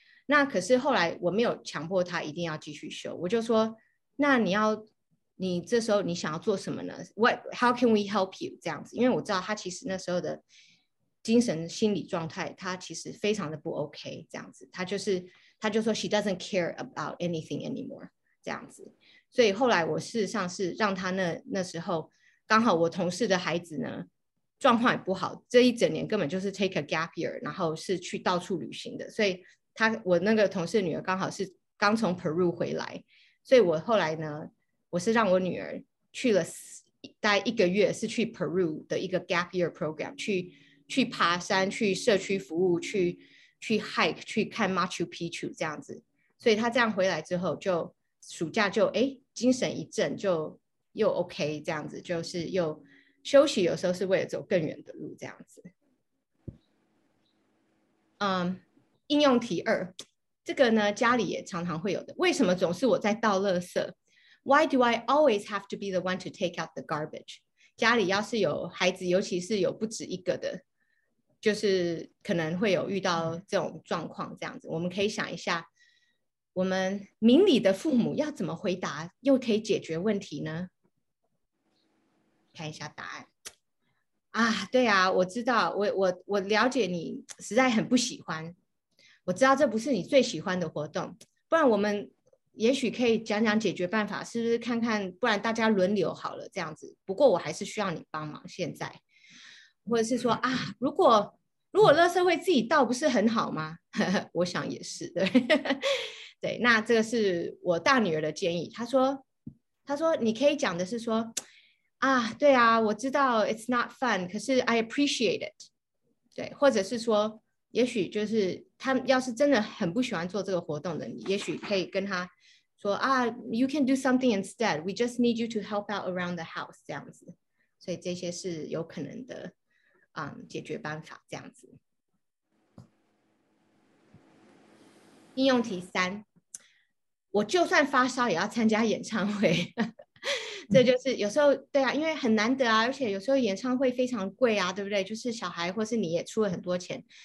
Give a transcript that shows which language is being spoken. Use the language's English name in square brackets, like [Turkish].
[Chinese] 那可是后来我没有强迫她一定要继续修，我就说：“那你要。” 你这时候你想要做什么呢 ？ [English] What? How can we help you? [Chinese] 这样子，因为我知道他其实那时候的精神心理状态，他其实非常的不 OK。这样子，他就说 [English] she doesn't care about anything anymore。 [Chinese] 这样子，所以后来我事实上是让他那时候刚好我同事的孩子呢状况也不好，这一整年根本就是 [English] take a gap year， [Chinese] 然后是去到处旅行的。所以我那个同事的女儿刚好是刚从 Peru 回来，所以我后来呢。我是让我女儿去了待一个月，是去 Peru 的一个 gap year program， 去爬山，去社区服务，去 hike， 去看 Machu Picchu 这样子。所以她这样回来之后就暑假就精神一振，就又 OK 这样子，就是又休息，有时候是为了走更远的路这样子。应用题二，这个呢家里也常常会有的，为什么总是我在倒垃圾？ [English] Why do I always have to be the one to take out the garbage? [Chinese] 家里要是有孩子，尤其是有不止一个的，就是可能会有遇到这种状况这样子。我们可以想一下，我们明理的父母要怎么回答，又可以解决问题呢？看一下答案。啊，对啊，我知道，我了解你实在很不喜欢，我知道这不是你最喜欢的活动，不然我们也许可以讲讲解决办法，是不是看看，不然大家轮流好了这样子。不过我还是需要你帮忙现在，或者是说啊，如果垃圾会自己倒不是很好吗？我想也是，对。对，那这个是我大女儿的建议，她说你可以讲的是说啊，对啊，我知道 [English] it's not fun， [Chinese] 可是 [English] I appreciate it。 [Chinese] 对，或者是说也许就是他要是真的很不喜欢做这个活动的，你也许可以跟他说啊 ， [English] You can do something instead. We just need you to help out around the house [Chinese] 这样子。所以这些是有可能的，解决办法这样子。应用题三，我就算发烧也要参加演唱会。这就是有时候对啊，因为很难得啊，而且有时候演唱会非常贵啊，对不对？就是小孩或是你也出了很多钱。